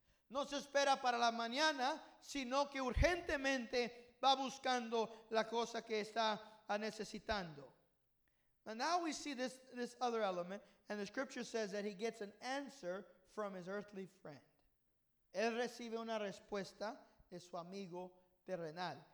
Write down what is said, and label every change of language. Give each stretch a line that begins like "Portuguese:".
Spanish: No se espera para la mañana, sino que urgentemente va buscando la cosa que está necesitando.
English: And now we see this other element, and the scripture says that he gets an answer from his earthly friend.
Spanish: Él recibe una respuesta de su amigo terrenal.